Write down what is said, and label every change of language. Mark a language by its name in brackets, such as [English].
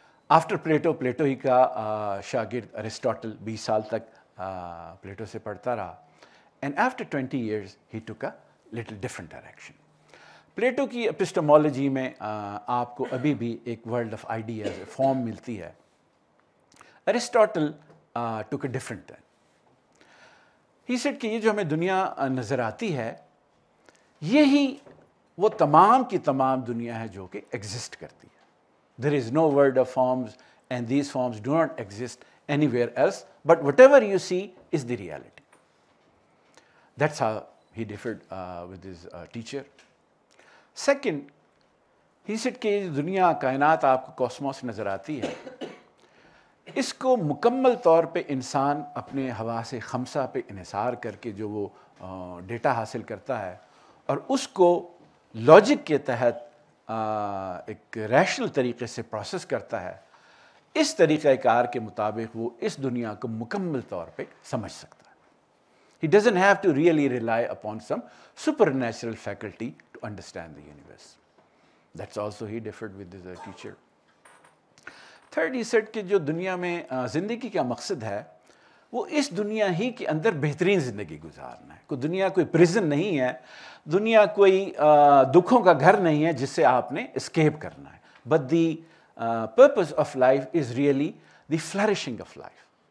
[English] after Plato [Urdu] Plato ہی کا شاگرد Aristotle 20 سال تک پلیٹو سے پڑھتا رہا [English] and after 20 years ہی took a little different direction [Urdu] Plato کی اپسٹمالوجی میں آپ کو ابھی بھی ایک ورلڈ آف آئیڈیاز فارم ملتی ہے [English] Aristotle took a different turn. He said [Urdu] کہ یہ جو ہمیں دنیا نظر آتی ہے یہی وہ تمام کی تمام دنیا ہے جو کہ ایگزسٹ کرتی ہے [English] There is no world of forms and these forms do not exist anywhere else but whatever you see is the reality. That's how he differed with his teacher. Second, he said [Urdu] کہ یہ دنیا کائنات آپ کو cosmos نظر آتی ہے اس کو مکمل طور پہ انسان اپنے حواس خمسہ پہ انحصار کر کے جو وہ ڈیٹا حاصل کرتا ہے اور اس کو لاجک کے تحت ایک ریشنل طریقے سے پروسیس کرتا ہے اس طریقہ کار کے مطابق وہ اس دنیا کو مکمل طور پہ سمجھ سکتا ہے [English] He doesn't have to really rely upon some supernatural faculty to understand the universe That's also he differed with his teacher. Third, he said [Urdu] کہ جو دنیا میں زندگی کا مقصد ہے وہ اس دنیا ہی کے اندر بہترین زندگی گزارنا ہے. کوئی دنیا کوئی پریزن نہیں ہے, دنیا کوئی دکھوں کا گھر نہیں ہے جس سے آپ نے اسکیپ کرنا ہے. [English] But the purpose of life is really the flourishing of life.